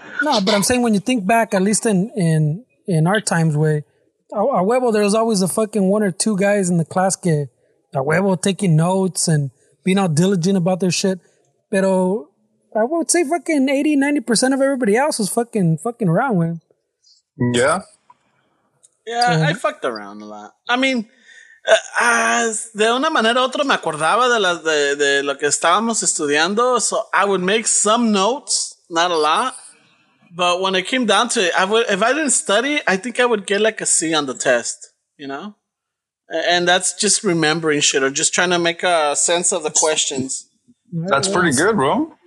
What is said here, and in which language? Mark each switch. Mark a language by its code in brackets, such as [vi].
[en] No, but I'm saying when you think back, at least in our times, where... [es] A huevo, [en] there was always a fucking one or two guys in the class que [es] a huevo, [en] taking notes and being all diligent about their shit. Pero I would say fucking 80-90% of everybody else was fucking around with. Yeah. Yeah, I fucked around a lot. [es] I mean, de una manera u otra me acordaba de lo que estábamos estudiando. [en] So I would make some notes, not a lot. But when it came down to it, if I didn't study, I think I would get like a C on the test, you know? And that's just remembering shit or just trying to make a sense of the questions. That's pretty good, bro.